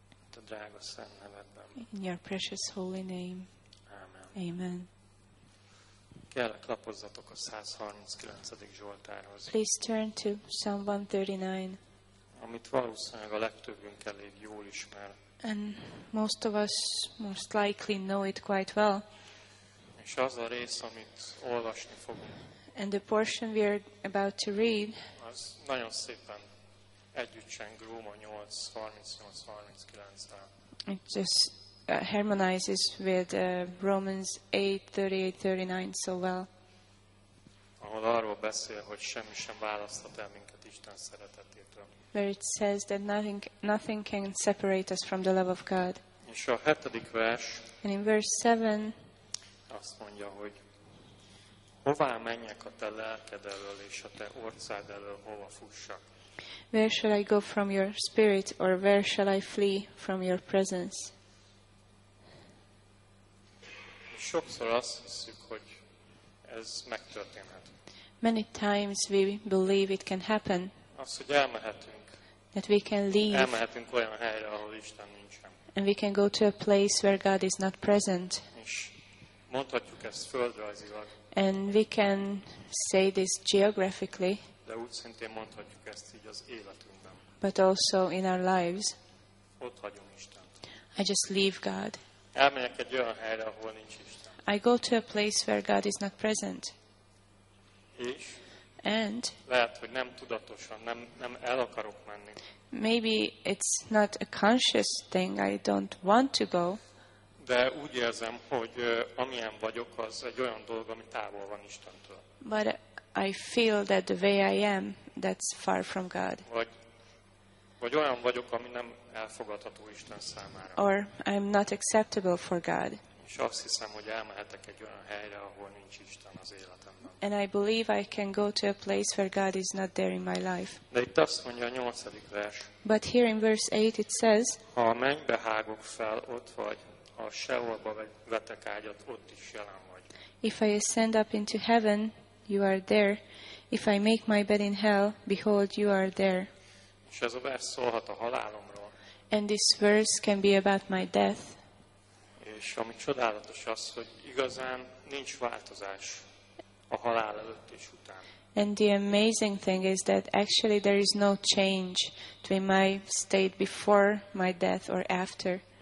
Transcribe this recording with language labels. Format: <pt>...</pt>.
<hu>Te drága szent nevedben.</hu> <en>In your precious holy name.</en> <hu>Amen.</hu> <en>Amen.</en> <hu>Kérlek, lapozzatok a 139. Zsoltárhoz.</hu> <en>Please turn to Psalm 139.</en> <hu>Amit valószínűleg a legtöbbünk elég jól ismer.</hu> <en>And most of us most likely know it quite well.</en> <hu>És az a rész, amit olvasni fogunk.</hu> <en>And the portion we are about to read.</en> <hu>Az nagyon szépen együtt cseng Róma 8:38-39-tel.</hu> <en>It just harmonizes with Romans 8:38-39 so well.</en> <hu>Ahol arról beszél, hogy semmi sem választhat el minket Isten szeretetétől.</hu> <en>Where it says that nothing can separate us from the love of God.</en> <hu>És a hetedik vers.</hu> <en>And in verse 7.</en> <hu>Azt mondja, hogy hová menjek a te lelked elől és a te orcád elől, hova fussak?</hu> <en>Where shall I go from your spirit or where shall I flee from your presence?</en> <hu>Sokszor azt hiszük, hogy ez megtörténhet.</hu> <en>Many times we believe it can happen.</en> <hu>Azt, hogy elmehetünk.</hu> <en>That we can leave.</en> <hu>Elmehetünk olyan helyre, ahol Isten nincsen.</hu> <en>And we can go to a place where God is not present.</en> <hu>És mondhatjuk ezt földrajzilag.</hu> <en>And we can say this geographically.</en> <hu>De úgy szintén mondhatjuk ezt így az életünkben.</hu> <en>But also in our lives.</en> <hu>Ott hagyom Istent.</hu> <en>I just leave God.</en> <hu>Elmegyek egy olyan helyre, ahol nincs Isten.</hu> <en>I go to a place where God is not present.</en> <hu>És?</hu> <en>And?</en> <hu>Lehet, hogy nem tudatosan, nem el akarok menni.</hu> <en>Maybe it's not a conscious thing, I don't want to go.</en> <hu>De úgy érzem, hogy amilyen vagyok, az egy olyan dolog, ami távol van Istentől.</hu> <en>But I feel that the way I am, that's far from God.</en> <hu>Vagy olyan vagyok, ami nem elfogadható Isten számára.</hu> <en>Or I'm not acceptable for God.</en> <hu>És azt hiszem, hogy elmehetek egy olyan helyre, ahol nincs Isten az életemben.</hu> <en>And I believe I can go to a place where God is not there in my life.</en> <hu>De itt azt mondja a 8. vers.</hu> <en>But here in verse 8 it says,</en> <hu>ha a mennybe hágok fel, ott vagy, ha Seolba vetek ágyat, ott is jelen vagy.</hu> <en>If I ascend up into heaven, you are there. If I make my bed in hell, behold, you are there.</en> <hu>És ez a vers szólhat a halálomról.</hu> <en>And this verse can be about my death.</en> <hu>És ami csodálatos az, hogy igazán nincs változás a halál előtt és után.</hu> <en>And the amazing thing is that actually there is no change between my state before my death or after.</en>